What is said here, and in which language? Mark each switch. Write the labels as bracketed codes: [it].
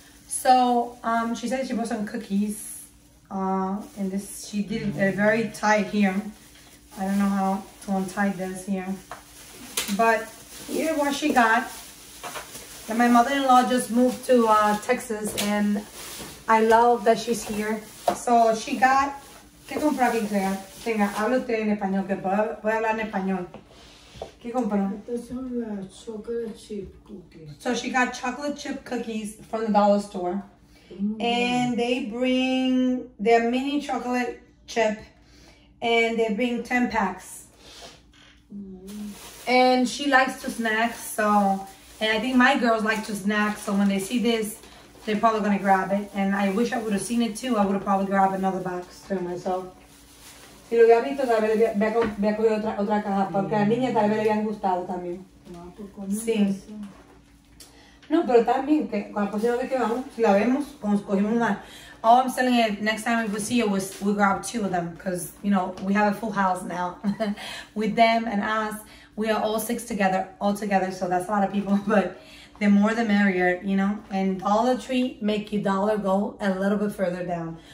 [en] So she said she bought some cookies, and this she did it very tight here. I don't know how to untie this here, but here what she got. And my mother-in-law just moved to Texas, and I love that she's here. So she got, [es] ¿qué compró aquí, Clea? Tenga, hable usted en español, que voy a hablar en español. ¿Qué compró? Estas son las chocolate chip cookies. [en] So she got chocolate chip cookies from the dollar store. And they bring their mini chocolate chip, and they bring 10 packs. And she likes to snack, so. And I think my girls like to snack, so when they see this, they're probably gonna grab it. And I wish I would have seen it too. I would have probably grabbed another box to myself. [es] Si lo hubiera visto, tal vez le hubiera cogido otra caja, porque a la niña tal vez le habían gustado también. Sí. No, pero también, que con la próxima vez que vamos, si la vemos, pues cogimos una. [en] All I'm telling you, next time if we see you, we grab two of them, because, you know, we have a full house now with them and us. We are all six together, all together, so that's a lot of people, but the more the merrier, you know? And Dollar Tree make your dollar go a little bit further down.